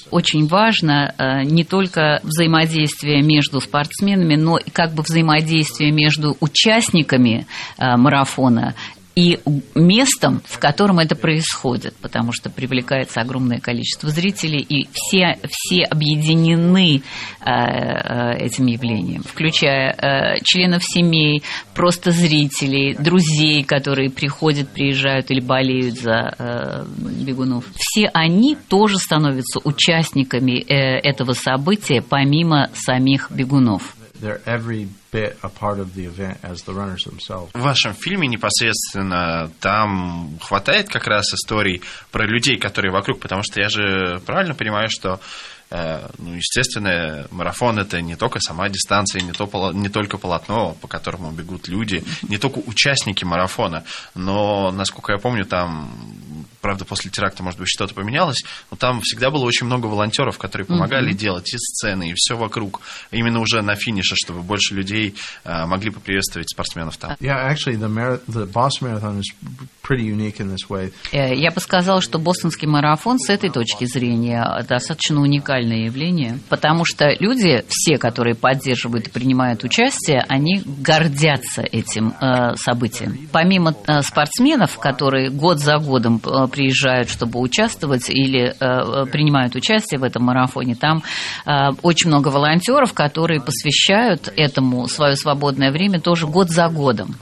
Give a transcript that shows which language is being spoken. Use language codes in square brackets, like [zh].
[ru] Очень важно не только взаимодействие между спортсменами, но и как бы взаимодействие между участниками марафона и местом, в котором это происходит, потому что привлекается огромное количество зрителей, и все объединены этим явлением, включая членов семей, просто зрителей, друзей, которые приходят, приезжают или болеют за бегунов. Все они тоже становятся участниками этого события, помимо самих бегунов. [en] Bit a part of the event as the runners themselves. [ru] В вашем фильме непосредственно там хватает как раз историй про людей, которые вокруг, потому что я же правильно понимаю, что естественно, марафон – это не только сама дистанция, не только полотно, по которому бегут люди, не только участники марафона, но, насколько я помню, там, правда, после теракта, может быть, что-то поменялось, но там всегда было очень много волонтеров, которые помогали делать и сцены, и все вокруг, именно уже на финише, чтобы больше людей могли поприветствовать спортсменов там. [en] Yeah, actually, the Boston Marathon is pretty unique in this way. [ru] Я бы сказала, что бостонский марафон с этой точки зрения достаточно уникален. Уникальное явление, потому что люди, все, которые поддерживают и принимают участие, они гордятся этим событием. Помимо спортсменов, которые год за годом приезжают, чтобы участвовать или принимают участие в этом марафоне, там очень много волонтеров, которые посвящают этому свое свободное время тоже год за годом.